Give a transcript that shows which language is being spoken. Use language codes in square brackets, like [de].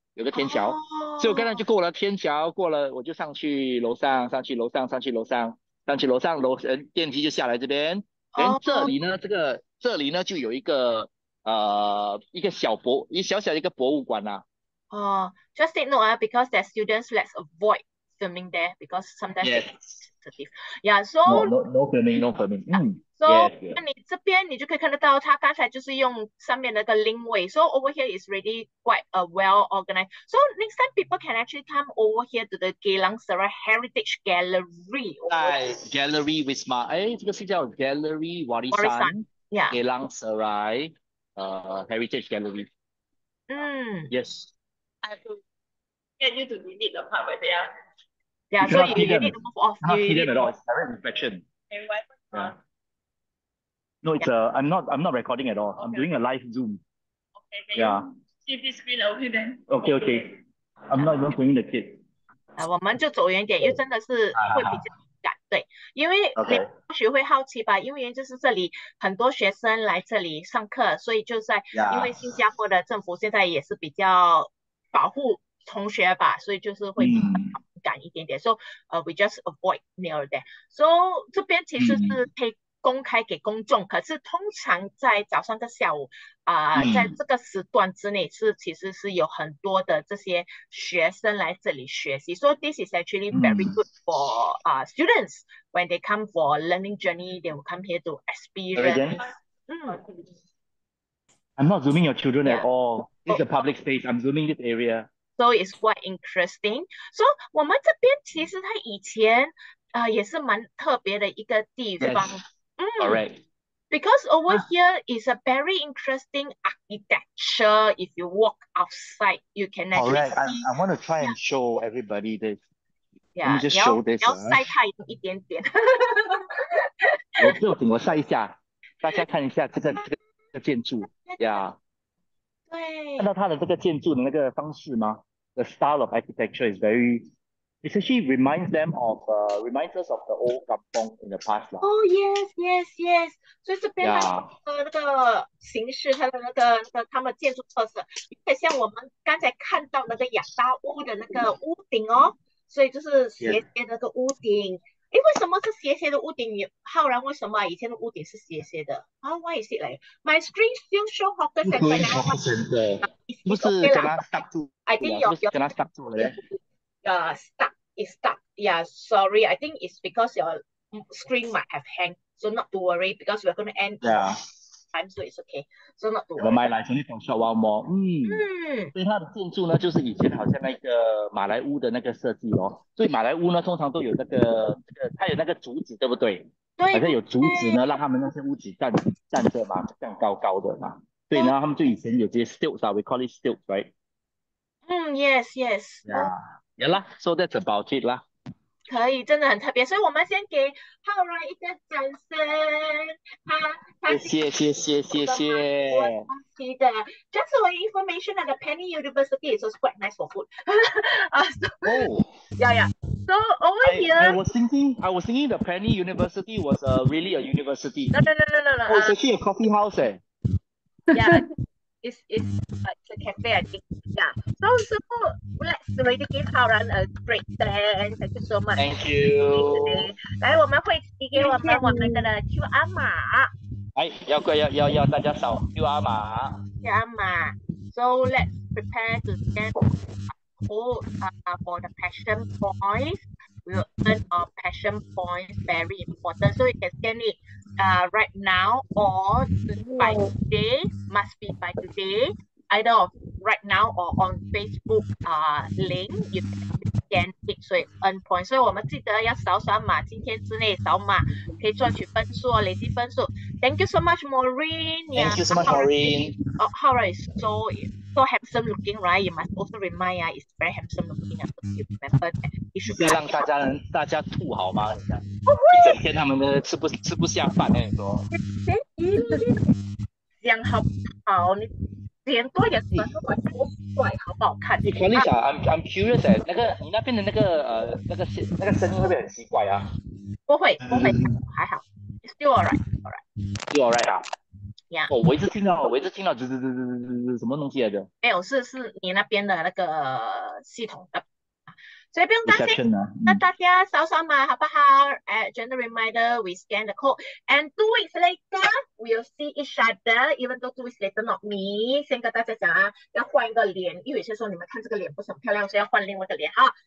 [zh] 有个天桥， oh. 所以我刚才就过了天桥，过了我就上去楼上，上去楼上，上去楼上。上去楼上楼电梯就下来这边，然后这里呢， oh. 这里呢就有一个小小的一个博物馆啦、啊。 [en] Just take note because there's students, let's avoid filming there because sometimes yes. Yeah, so no filming. [zh] So 那你这边你就可以看得到，他刚才就是用上面那个link位 ， [en] so over here is really quite a well organized. So next time people can actually come over here to the Geylang Serai Heritage Gallery. [zh] Gallery Wisma, 这个是叫 Gallery [en] Warisan, yeah, Geylang Serai, Heritage Gallery. Yes. I have to get you to delete the part where they are. Yeah, you so you need to move off. Not hidden at all. It's direct reflection. No, it's I'm not recording at all. Okay. I'm doing a live Zoom. Okay, can you keep this screen over then? Okay. I'm not even bringing the kid. [zh] 我们就走远一点，因为真的是会比较赶。对，因为你或许会好奇吧，因为就是这里很多学生来这里上课，所以就在因为新加坡的政府现在也是比较保护同学吧，所以就是会比较赶一点点。 [en] So, we just avoid near there. [zh] So, 这边其实是可以公开给公众，可是通常在早上跟下午在这个时段之内是其实是有很多的这些学生来这里学习。 [en] So this is actually very good for students when they come for learning journey, they will come here to experience. I'm not zooming your children at all. It's a public space. I'm zooming this area. So it's quite interesting. [zh] So 我们这边其实它以前也是蛮特别的一个地方。 [en] Yes. All right. Because over here is a very interesting architecture. If you walk outside, you can actually see. I want to try and show everybody this. Yeah, let me just show this. [zh] 要晒太一点点。我不行，我晒一下，大家看一下这个建筑。 [en] Yeah. [zh] 对。看到它的这个建筑的那个方式吗？ [en] The style of architecture is very... It actually reminds us of the old kampong in the past. Oh, yes. [zh] 所以这边的那个形式，它的那个他们建筑特色，有点像我们刚才看到那个雅大屋的那个屋顶哦。所以就是斜斜的那个屋顶。哎、为什么是斜斜的屋顶？浩然，为什么以前的屋顶是斜斜的？ [en] 啊、why is it like my screen still show hawker center? [zh] 不是，跟他 stuck 住。 [en] I think your [zh] 跟他 stuck 住了嘞。 [en] Stuck. Yeah, sorry. I think it's because your screen might have hanged. So not to worry because we're going to end time, so it's okay. So not to worry. Never mind, like, only for short while more. [zh] 所以它的建筑呢，就是以前好像那个马来屋的那个设计哦。所以马来屋呢，通常都有这个，它有那个竹子，对不对？对。好像有竹子呢，让他们那些屋子站着嘛，站高高的嘛。对，然后他们就以前有这些 stilts 啊， [en] we call it stilts, right? Yes. 哦， So that's about it 啦。 [zh] 可以，真的很特别，所以我们先给浩然一个掌声。他是谢谢谢谢谢我的韩国谢。东西的， [en] just for information at the Penny University is also quite nice for food. Oh, So over here. I was thinking the Penny University was really a university. No. Oh, it's actually a coffee house, eh? It's a cafe, I think. So let's really give Haoran a great day. Thank you so much. Thank you. [zh] 来，我们会寄给我们的 QR 码。哎，要大家扫 QR 码。 QR 码。 [en] So let's prepare to get for the passion points. We'll earn our passion points. Very important. So you can scan it. Right now or by today, must be by today, either of right now or on Facebook link, you can scan it, so it earn points. [zh] So 我们记得要扫扫码，今天之内扫码可以赚取分数，累积分数。 [en] Thank you so much, Maureen. Thank you so much, Maureen. Oh, Howard is so handsome looking, right? You must also remind it's very handsome looking. I hope you remember that. You should [zh] 再让大家吐好吗？一整天他们都吃不下饭，跟你说。讲好不好？你点多一点，反正我帅，好不好看？你肯定想 ， [en] I'm curious [zh] 哎，那个你那边的那个声音会不会很奇怪啊？不会，还好 [en] ，It's still alright，alright，still alright 啊。 Yeah. [zh] 哦，我一直听到，滋什么东西来着？没有，是你那边的那个系统的。所以不用担心，那大家扫扫码好不好？ [en] gender reminder, we scan the code, and 2 weeks later, we'll see each other. Even though 2 weeks later, not me. [zh] 先跟大家讲啊，要换一个脸，因为有些时候你们看这个脸不是很漂亮，所以要换另外一个脸哈。